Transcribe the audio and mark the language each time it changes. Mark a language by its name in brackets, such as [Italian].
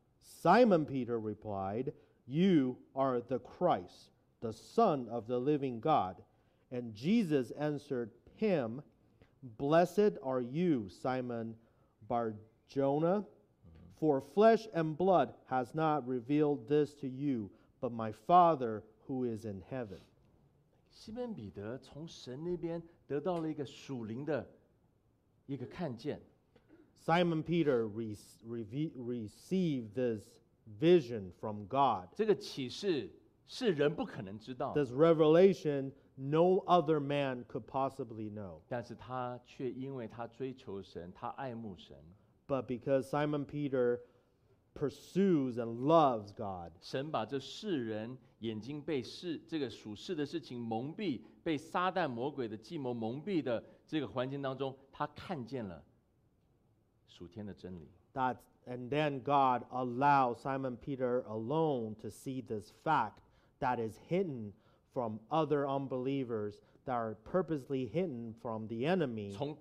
[English] Simon Peter replied, You are the Christ, the Son of the living God. And Jesus answered him,Blessed are you, Simon Barjona, for flesh and blood has not revealed this to you, but my Father who is in heaven. [Chinese] 西门彼得从神那边得到了一个属灵的一个看见。 [English] Simon Peter received this vision from God. [Chinese] 这个启示是人不可能知道。 [English] This revelation. No other man could possibly know. [Chinese] 但是他却因为他追求神，他爱慕神。 [English] But because Simon Peter pursues and loves God, [Chinese] 神把这世人眼睛被世这个属世的事情蒙蔽，被撒旦魔鬼的计谋蒙蔽的这个环境当中，他看见了属天的真理。 [English] And then God allowed Simon Peter alone to see this fact that is hidden. From other unbelievers that are purposely hidden from the enemy.